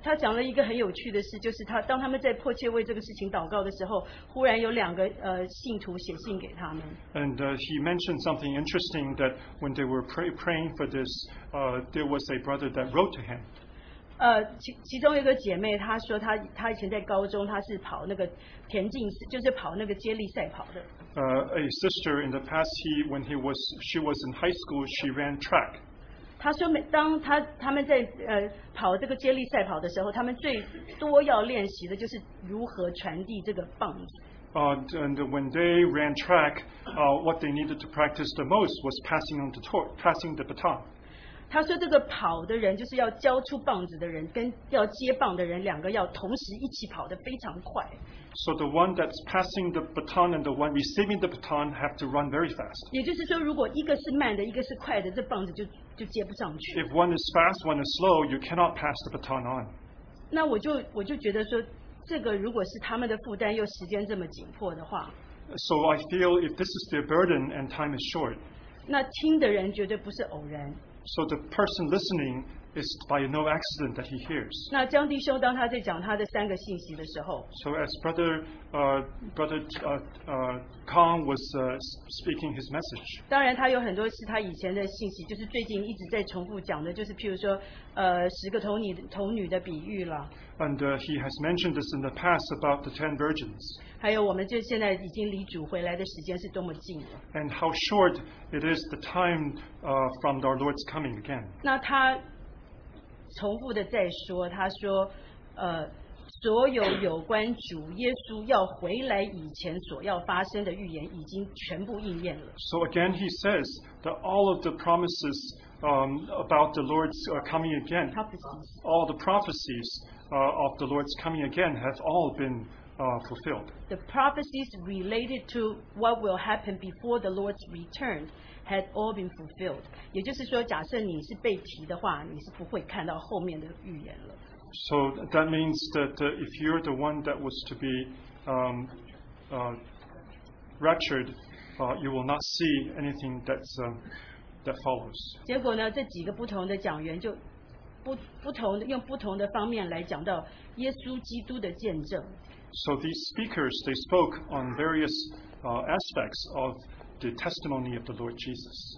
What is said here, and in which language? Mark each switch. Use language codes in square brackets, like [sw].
[zh] 他讲了一个很有趣的事，就是他当他们在迫切为这个事情祷告的时候，忽然有两个信徒写信给他们。 [en] And he mentioned something interesting that when they were praying for this, there was a brother that wrote to him. [zh] 其中有个姐妹，她说她以前在高中，她是跑那个田径，就是跑那个接力赛跑的。 [en] A sister in the past, she was in high school, she ran track. [zh] 他说当他们在跑这个接力赛跑的时候，他们最多要练习的就是如何传递这个棒子。 [en] And when they ran track, what they needed to practice the most was passing on the torch, passing the baton. [zh] 他说这个跑的人就是要交出棒子的人，跟要接棒的人两个要同时一起跑得非常快。 [en] So the one that's passing the baton and the one receiving the baton have to run very fast. [zh] 也就是说，如果一个是慢的，一个是快的，这棒子就接不上去。 [en] If one is fast, one is slow, you cannot pass the baton on. [zh] 那我就觉得说，这个如果是他们的负担，又时间这么紧迫的话。 [en] So I feel if this is their burden and time is short. [zh] 那听的人绝对不是偶然。 [en] So the person listening is by no accident that he hears. [zh] 那江弟兄当他在讲他的三个信息的时候。 [en] So as Brother Kong was speaking his message. [zh] 当然他有很多是他以前的信息，就是最近一直在重复讲的，就是譬如说十个童女的比喻了。 [en] And he has mentioned this in the past about the 10 virgins. [zh] 还有我们就现在已经离主回来的时间是多么近了。 [en] And how short it is the time from our Lord's coming again. [zh] 那他重复的在说，他说所有有关主耶稣要回来以前所要发生的预言已经全部应验了。 [en] So again he says that all of the promises about the Lord's coming again, all the prophecies of the Lord's coming again have all been fulfilled. The prophecies related to what will happen before the Lord's return had all been fulfilled. [zh] 也就是说，假设你是被提的话，你是不会看到后面的预言了。 [en] So that means that if you're the one that was to be raptured, you will not see anything that's that follows. [zh] 结果呢，这几个不同的讲员就不同的用不同的方面来讲到耶稣基督的见证。 [en] So these speakers, they spoke on various aspects of the testimony of the Lord Jesus.